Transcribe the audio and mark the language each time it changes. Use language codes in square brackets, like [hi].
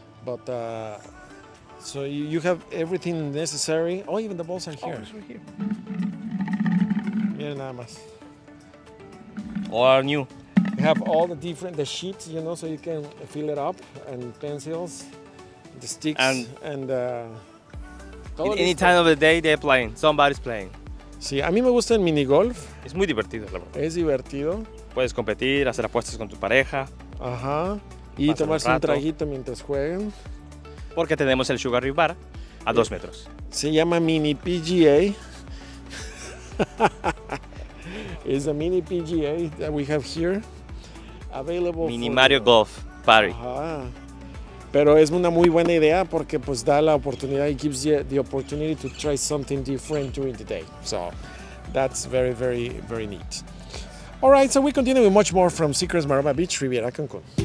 [en] But... So you have everything necessary. Oh, even the balls are here. Oh, it's right here. [es] Miren nada más. [en] All are new. You have all the different, the sheets, you know, so you can fill it up, and pencils, the sticks, and any time of the day, they're playing. Somebody's playing. [es] Sí, a mí me gusta el mini golf. Es muy divertido, la verdad. Es divertido. Puedes competir, hacer apuestas con tu pareja. Ajá. Y tomarse un traguito mientras jueguen. Porque tenemos el Sugar Reef Bar a 2 metros. Se llama Mini PGA. [en] It's a Mini PGA that we have here. Available. Mini Mario Golf Party. [es] Pero es una muy buena idea porque pues da la oportunidad. [en] It gives you the opportunity to try something different during the day. So that's very, very, very neat. All right, so we continue with much more from Secrets Maroma Beach Riviera Cancun.